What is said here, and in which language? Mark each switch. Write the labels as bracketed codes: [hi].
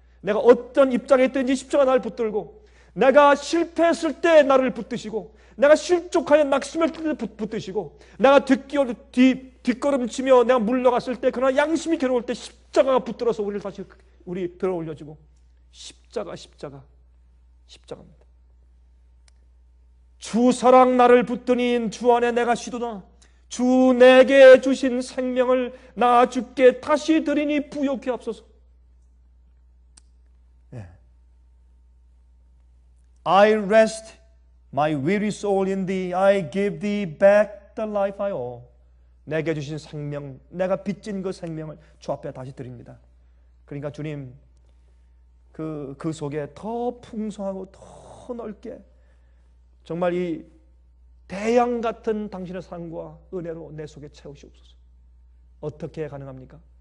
[ko] 내가 어떤 입장에 있든지 십자가 날 붙들고 내가 실패했을 때 나를 붙드시고 내가 실족하여 낙심할 때 붙드시고 내가 뒷걸음치며 내가 물러갔을 때 그러나 양심이 괴로울 때 십자가가 붙들어서 우리를 다시 우리 들어 올려주고 십자가 십자가 십자가입니다. 주 사랑 나를 붙드니 주 안에 내가 쉬도다. 주 내게 주신 생명을 나 주께 다시 드리니 부요케 앞서서. 네. [en] I rest my weary soul in thee. I give thee back the life I owe. [ko] 내게 주신 생명, 내가 빚진 그 생명을 주 앞에 다시 드립니다. 그러니까 주님, 그 속에 더 풍성하고 더 넓게 정말 이 대양 같은 당신의 사랑과 은혜로 내 속에 채우시옵소서. 어떻게 가능합니까?